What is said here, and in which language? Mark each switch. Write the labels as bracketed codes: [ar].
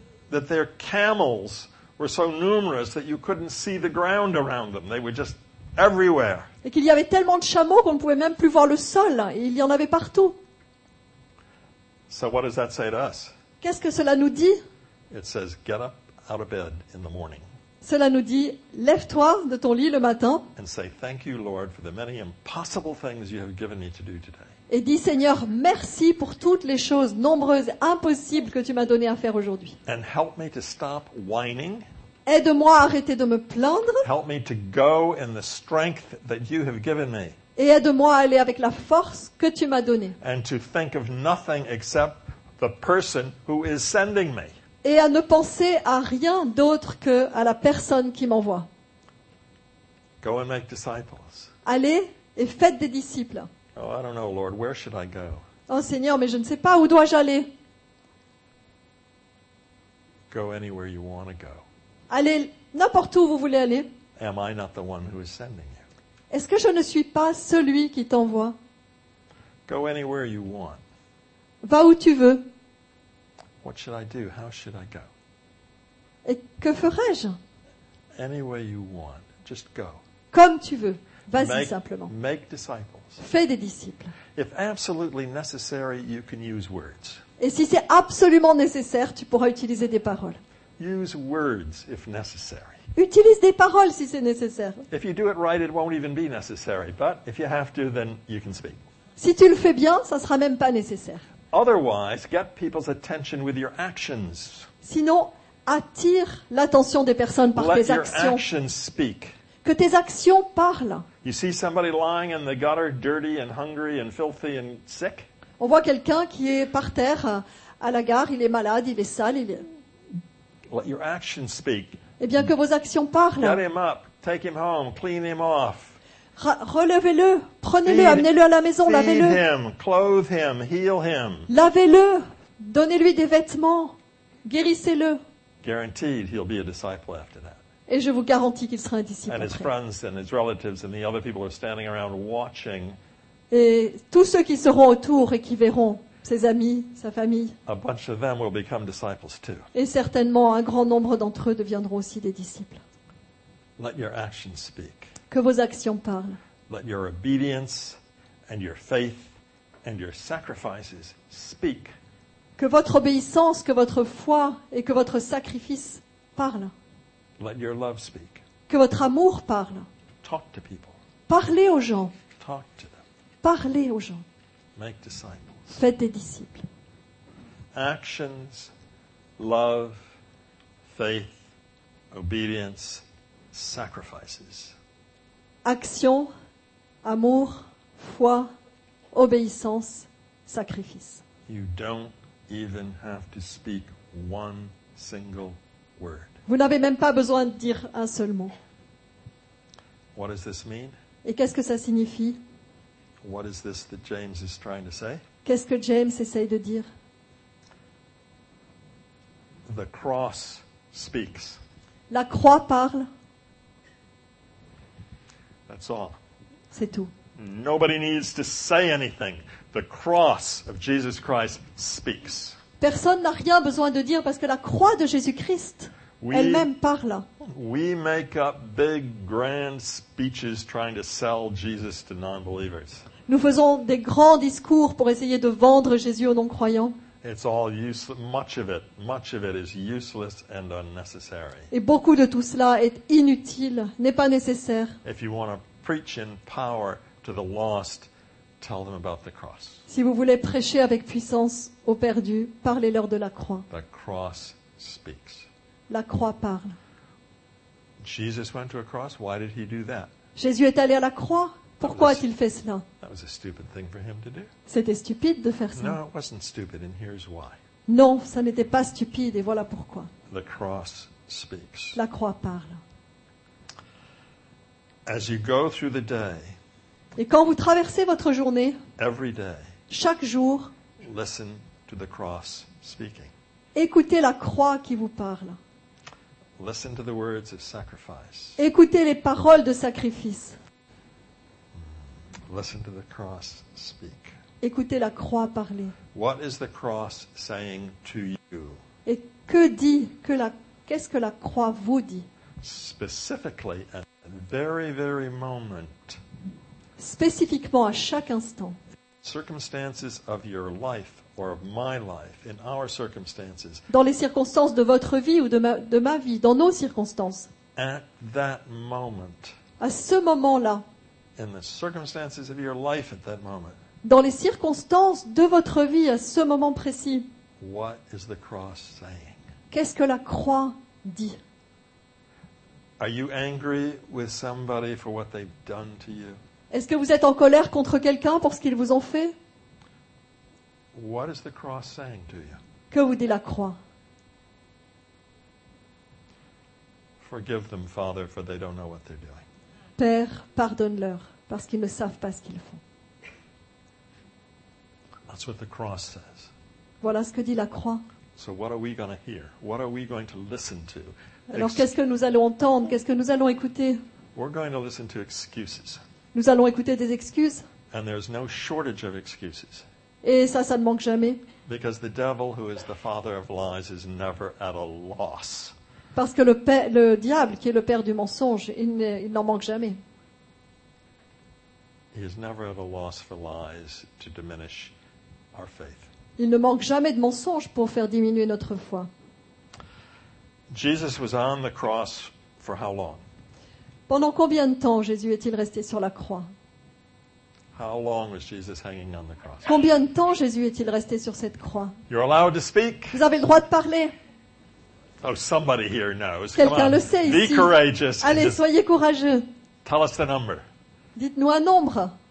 [en] That their camels were so numerous that you couldn't see the ground around them. They were just everywhere. [fr] Et qu'il y avait tellement de chameaux qu'on ne pouvait même plus voir le sol. Il y en avait partout. [en] So what does that say to us? [fr] Qu'est-ce que cela nous dit? [en] It says, get up out of bed in the morning. [fr] Cela nous dit, lève-toi de ton lit le matin. [en] And say, thank you, Lord, for the many impossible things you have given me to do today. [fr] Et dis, Seigneur, merci pour toutes les choses nombreuses, impossibles que tu m'as donné à faire aujourd'hui. [en] And help me to stop whining. [fr] Aide-moi à arrêter de me plaindre. [en] Help me to go in the strength that you have given me. [fr] Et aide-moi à aller avec la force que tu m'as donnée. [en] And to think of nothing except the person who is sending me. [fr] Et à ne penser à rien d'autre que à la personne qui m'envoie. [en] Go and make disciples. [fr] Allez et faites des disciples. [en] Oh, I don't know, Lord, where should I go? [fr] Oh Seigneur, mais je ne sais pas où dois-je aller. [en] Go anywhere you want to go. [fr] Allez n'importe où vous voulez aller. [en] Am I not the one who is sending you? [fr] Est-ce que je ne suis pas celui qui t'envoie? [en] Go anywhere you want. [fr] Va où tu veux. [en] What should I do? How should I go? [fr] Et que ferais-je? [en] Any way you want, just go. [fr] Comme tu veux. Vas-y simplement. [en] Make disciples. [fr] Fais des disciples. [en] If absolutely necessary, you can use words. [fr] Et si c'est absolument nécessaire, tu pourras utiliser des paroles. [en] Use words if necessary. [fr] Utilise des paroles si c'est nécessaire. [en] If you do it right, it won't even be necessary, but if you have to, then you can speak. [fr] Si tu le fais bien, ça sera même pas nécessaire. [en] Otherwise, get people's attention with your actions. [fr] Sinon, attire l'attention des personnes par [en] Let [fr] tes actions. [en] Let your actions speak. [fr] Que tes actions parlent. [en] You see somebody lying in the gutter, dirty and hungry and filthy and sick? [fr] On voit quelqu'un qui est par terre à la gare, il est malade, il est sale, il est... [en] Let your actions speak. [fr] Eh bien, que vos actions parlent. [en] Get him up, take him home, clean him off. [fr] Relevez-le, prenez-le, amenez-le à la maison, lavez-le. [en] Feed him, clothe him, heal him. [fr] Lavez-le, donnez-lui des vêtements, guérissez-le. [en] Guaranteed, he'll be a disciple after that. [fr] Et je vous garantis qu'il sera un disciple après. [en] And his friends and his relatives and the other people are standing around watching. [fr] Et tous ceux qui seront autour et qui verront ses amis, sa famille. [en] A bunch of them will become disciples too. [fr] Et certainement un grand nombre d'entre eux deviendront aussi des disciples. [en] Let your actions speak. [fr] Que vos actions parlent. [en] Let your obedience and your faith and your sacrifices speak. [fr] Que votre obéissance, que votre foi et que votre sacrifice parlent. [en] Let your love speak. [fr] Que votre amour parle. [en] Talk to people. [fr] Parlez aux gens. [en] Talk to them. [fr] Parlez aux gens. [en] Make disciples. [fr] Faites des disciples. [en] Actions, love, faith, obedience, sacrifices. [fr] Action, amour, foi, obéissance, sacrifice. [en] You don't even have to speak one single word. [fr] Vous n'avez même pas besoin de dire un seul mot. [en] What does this mean? [fr] Et qu'est-ce que ça signifie? [en] What is this that James is trying to say? [fr] Qu'est-ce que James essaye de dire? [en] The cross speaks. [fr] La croix parle. [en] That's all. [fr] C'est tout. [en] Nobody needs to say anything. The cross of Jesus Christ speaks. [fr] Personne n'a rien besoin de dire parce que la croix de Jésus-Christ elle-même parle. [en] We make up big, grand speeches trying to sell Jesus to non-believers. [fr] Nous faisons des grands discours pour essayer de vendre Jésus aux non-croyants. [en] It's all useless. Much of it is useless and unnecessary. [fr] Et beaucoup de tout cela est inutile, n'est pas nécessaire. [en] If you want to preach in power to the lost, tell them about the cross. [fr] Si vous voulez prêcher avec puissance aux perdus, parlez-leur de la croix. [en] The cross speaks. [fr] La croix parle. [en] Jesus went to a cross. Why did he do that? [fr] Jésus est allé à la croix. Pourquoi a-t-il fait cela? [en] That was a stupid thing for him to do. [fr] C'était stupide de faire ça. [en] No, it wasn't stupid, and here's why. [fr] Non, ça n'était pas stupide, et voilà pourquoi. [en] The cross speaks. [fr] La croix parle. [en] As you go through the day, [fr] et quand vous traversez votre journée, [en] every day, [fr] chaque jour, [en] listen to the cross speaking. [fr] Écoutez la croix qui vous parle. [en] Listen to the words of sacrifice. [fr] Écoutez les paroles de sacrifice. [en] Listen to the cross speak. [fr] Écoutez la croix parler. [en] What is the cross saying to you? [fr] Et que dit que la qu'est-ce que la croix vous dit? [en] Specifically at the very very moment. [fr] Spécifiquement à chaque instant. [en] Circumstances of your life or of my life in our circumstances. [fr] Dans les circonstances de votre vie ou de ma vie, dans nos circonstances. [en] At that moment. [fr] À ce moment-là. [en] In the circumstances of your life at that moment. [fr] Dans les circonstances de votre vie à ce moment précis. [en] What is the cross saying? [fr] Qu'est-ce que la croix dit? [en] Are you angry with somebody for what they've done to you? [fr] Est-ce que vous êtes en colère contre quelqu'un pour ce qu'ils vous ont fait? [en] What is the cross saying to you? [fr] Que vous dit la croix? [en] Forgive them, Father, for they don't know what they're doing. [fr] Père, pardonne-leur, parce qu'ils ne savent pas ce qu'ils font. [en] That's what the cross says. [fr] Voilà ce que dit la croix. [en] So what are we going to hear? What are we going to listen to? [fr] Alors qu'est-ce que nous allons entendre? Qu'est-ce que nous allons écouter? [en] We're going to listen to excuses. [fr] Nous allons écouter des excuses. [en] And there's no shortage of excuses. [fr] Et ça ne manque jamais. [en] Because the devil, who is the father of lies, is never at a loss. [fr] Parce que le diable, qui est le père du mensonge, il n'en manque jamais. [en] He is never at a loss for lies to diminish our faith. [fr] Il ne manque jamais de mensonges pour faire diminuer notre foi. [en] Jesus was on the cross for how long? [fr] Pendant combien de temps Jésus est-il resté sur la croix? [en] How long was Jesus hanging on the cross? [fr] Combien de temps Jésus est-il resté sur cette croix? [en] You're allowed to speak. [fr] Vous avez le droit de parler. [en] Oh, somebody here knows. [fr] Quelqu'un [en] Come on. [fr] Le sait ici. [en] Be courageous. [fr] Allez, soyez courageux. [en] Tell us the number. [fr] Dites-nous un nombre.